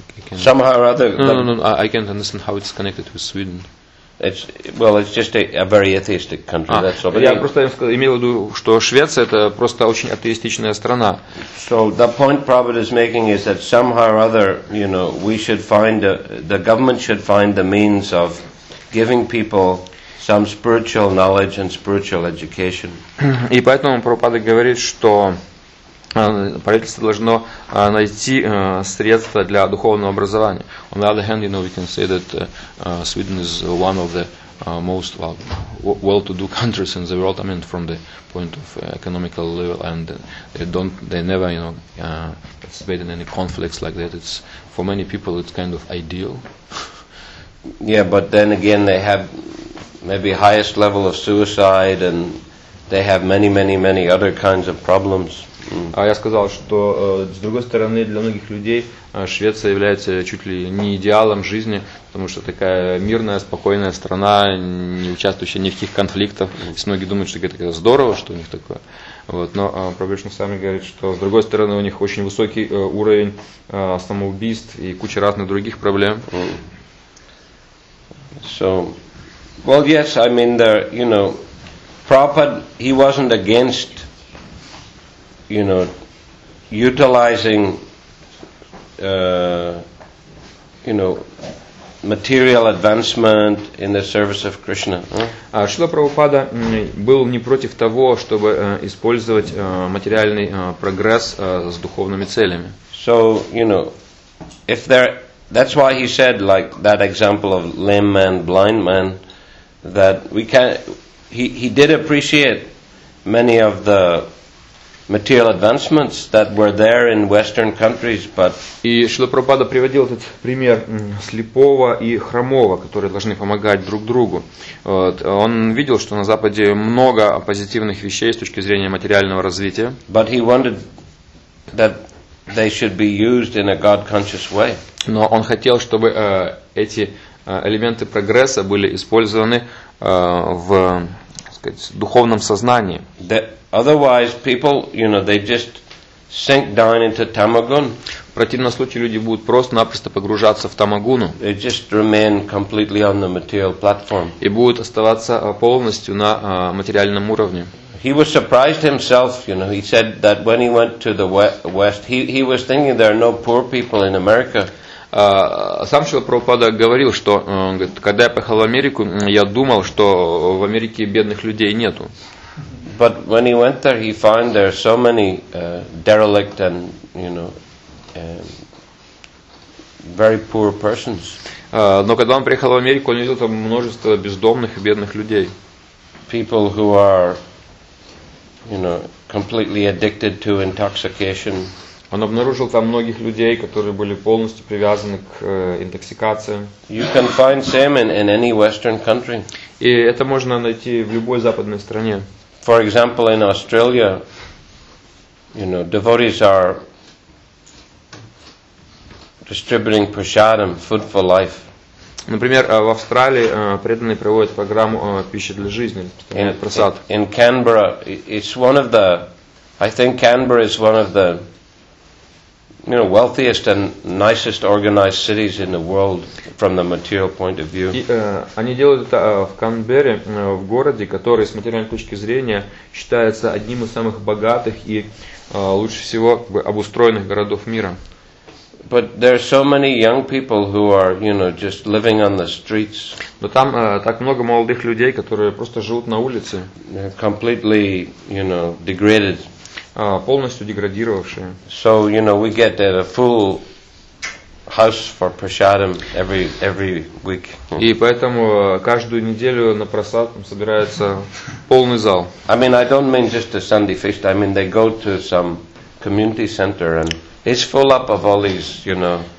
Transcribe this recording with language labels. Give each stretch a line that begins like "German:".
English: I can't understand how it's connected with Sweden. It's just a very atheistic country. That's all.
Russian: Я просто имел в виду, что Швеция это просто очень атеистичная страна.
English: So the point Prabhupada is making is that somehow or other, you know, we should find the government should find the means of giving people some spiritual knowledge and spiritual education.
Russian: И поэтому Прабхупада говорит, что правительство должно найти средства для духовного образования.
English: On the other hand, you know, we can say that Sweden is one of the most well-to-do countries in the world. I mean, from the point of economical level, and they never, you know, participate in any conflicts like that. It's for many people, it's kind of ideal. Yeah, but then again, they have maybe highest level of suicide and They have many, many, many other kinds of problems.
Russian: А я сказал, что с другой стороны, для многих людей Швеция является чуть ли не идеалом жизни, потому что такая мирная, спокойная страна, не участвующая ни в каких конфликтах. И многие думают, что это здорово, что у них такое. Вот. Но Прабхупада сами говорит, что с другой стороны, у них очень высокий уровень самоубийств и куча разных других проблем.
English: Prabhupada, he wasn't against, you know, utilizing, you know, material advancement in the service of Krishna.
Russian: А Шрила Прабхупада был не против того, чтобы использовать материальный прогресс с духовными целями.
English: So, you know, if there, that's why he said, like, that example of lame man, blind man, that we can't, he did appreciate many of the material advancements that were there in Western countries, but
Russian: и Шрила Прабхупада приводил этот пример слепого и хромого, которые должны помогать друг другу. Вот. Он видел, что на Западе много позитивных вещей с точки зрения материального развития.
English: But he wanted that they should be used in a God-conscious way.
Russian: Но он хотел, чтобы эти элементы прогресса были использованы в, так сказать, духовном сознании.
English: Otherwise, people, you know, they just sink down into tamagun.
Russian: В противном случае люди будут просто-напросто погружаться в тамагуну.
English: They just remain completely on the material platform.
Russian: И будут оставаться полностью на материальном уровне.
English: He was surprised himself, you know. He said that when he went to the West, he was thinking there are no poor people in America.
Russian: Сам Шрила Прабхупада говорил, что когда я поехал в Америку, я думал, что в Америке бедных людей нету.
English: But when he went there, he found there so many derelict and, you know, very poor persons.
Russian: Но когда он приехал в Америку, он увидел там множество бездомных и бедных людей.
English: People who are, you know, completely addicted to intoxication.
Russian: Он обнаружил там многих людей, которые были полностью привязаны к интоксикациям.
English: You can find same in any Western country.
Russian: И это можно найти в любой западной стране.
English: For example, in Australia, you know, devotees are distributing prasadam, food for life.
Russian: Например, в Австралии преданные проводят программу пищи для жизни, прасад.
English: In Canberra, it's one of the, I think Canberra is one of the, you know, wealthiest and nicest organized cities in the world from the material point of view.
Russian: Они делают это в Канберре, в городе, который с материальной точки зрения считается одним из самых богатых и лучше всего обустроенных городов мира.
English: But there are so many young people who are, you know, just living on the streets.
Russian: Но там так много молодых людей, которые просто живут на улице.
English: Completely, you know, degraded.
Russian: Полностью деградировавшие.
English: So, you know, we get a full house for prasadam every week.
Russian: И поэтому каждую неделю на прасад собирается полный зал.
English: I mean, I don't mean just a Sunday feast. I mean, they go to some community center and it's full up of all these, you know.